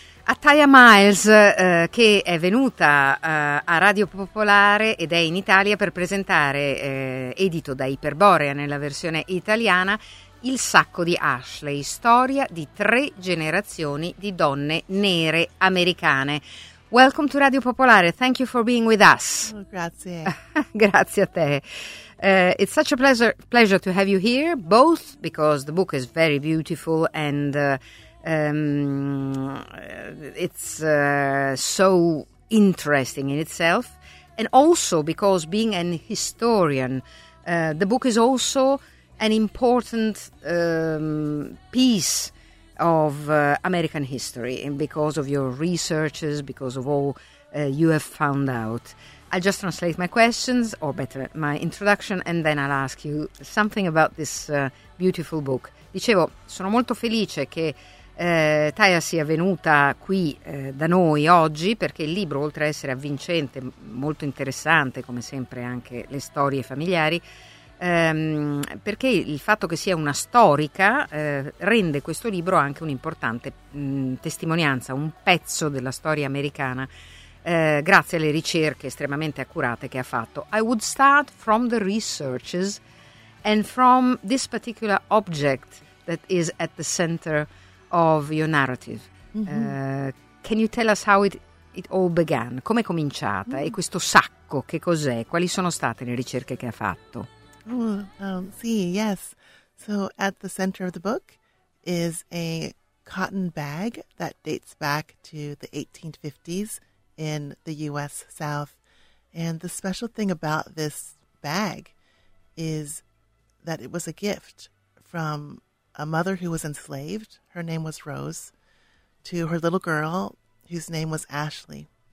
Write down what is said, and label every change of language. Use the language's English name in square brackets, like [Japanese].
[Italian] A Taya Miles, che è venuta a Radio Popolare ed è in Italia per presentare, edito da Iperborea nella versione italiana, Il sacco di Ashley, storia di tre generazioni di donne nere americane. [English] Welcome to Radio Popolare, thank you for being with us. Oh, [Italian] grazie. Grazie a te. [English] It's such a pleasure to have you here, both because the book is very beautiful and it's so interesting in itself, and also because being an historian, the book is also an important piece of American history, and because of your researches, because of all you have found out. I'll just translate my questions, or better, my introduction, and then I'll ask you something about this beautiful book. [Italian] Dicevo, sono molto felice che Taya sia venuta qui da noi oggi, perché il libro, oltre a essere avvincente, molto interessante, come sempre anche le storie familiari, perché il fatto che sia una storica rende questo libro anche un'importante testimonianza, un pezzo della storia americana, grazie alle ricerche estremamente accurate che ha fatto. [English] I would start from the researches and from this particular object that is at the center of your narrative. Can you tell us how it all began? [Italian] Come è cominciata? E questo sacco, che cos'è? Quali sono state le ricerche che ha fatto? [English] Yes. So at the center of the book is a cotton bag that dates back to the 1850s in the U.S. South. And the special thing about this bag is that it was a gift from a mother who was enslaved, her name was Rose, to her little girl, whose name was Ashley.